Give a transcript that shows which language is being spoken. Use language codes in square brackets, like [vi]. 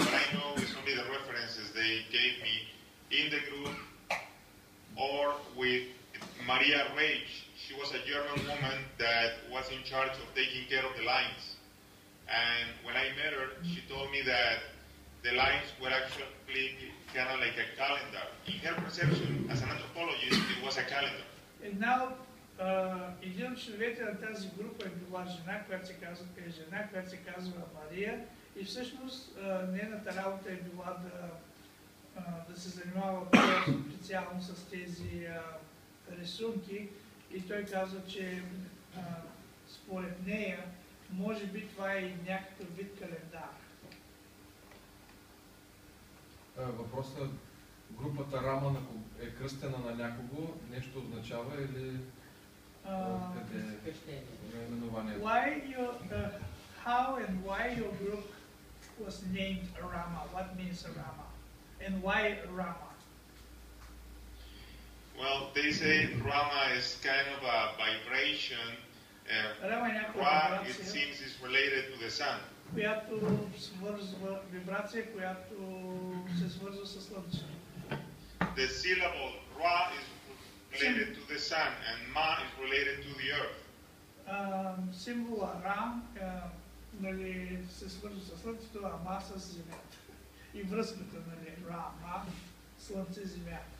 [en] What I know is only the references they gave me in the group or with Maria Reich. She was a German woman that was in charge of taking care of the lines. And when I met her, she told me that the lines were actually kind of like a calendar. In her perception, as an anthropologist, it was a calendar. And now, [bg] един от членовете на тази група е била жена, която се казва, Мария. И всъщност нейната работа е била да се занимава специално с тези рисунки. И той казва, че според нея, може би това е и някакъв вид календар. Въпросът, групата Рама е кръстена на някого, нещо означава или къде наименованието? [en] Why you, how and why your group was named Rama? What means Rama? And why Rama? Well, they say Rama is kind of a vibration. [bg] Рама е някаква вибрация. [en] It seems is related to the sun. [bg] Която свързва вибрация, която се свързва с слънцето. [en] The syllable Ra is related to the sun and Ma is related to the earth. [bg] Символа Рам нали, се свързва с слънцето, а Ма с земята. И връзката, нали, Ра, Ма, слънце, земя.